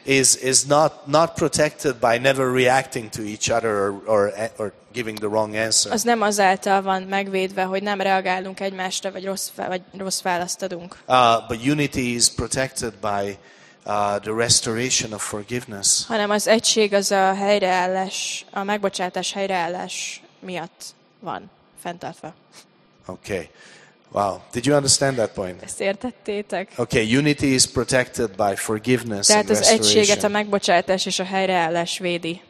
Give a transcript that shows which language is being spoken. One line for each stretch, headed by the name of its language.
English: is not protected by never reacting to each other or giving the wrong answer.
Hungarian: Az nem azáltal van megvédve, hogy nem reagálunk egymásra vagy rossz választ adunk.
English: But unity is protected by the restoration of forgiveness.
Hungarian: Hanem az egység az a helyreállás, a megbocsátás helyreállás miatt van fenntartva.
English: Okay. Wow, did you understand that point?
Hungarian: Ezt értettétek?
English: Okay, unity is protected by forgiveness
Hungarian: tehát
English: and restoration.
Hungarian: Az egységet a megbocsátás és a helyreállás védi.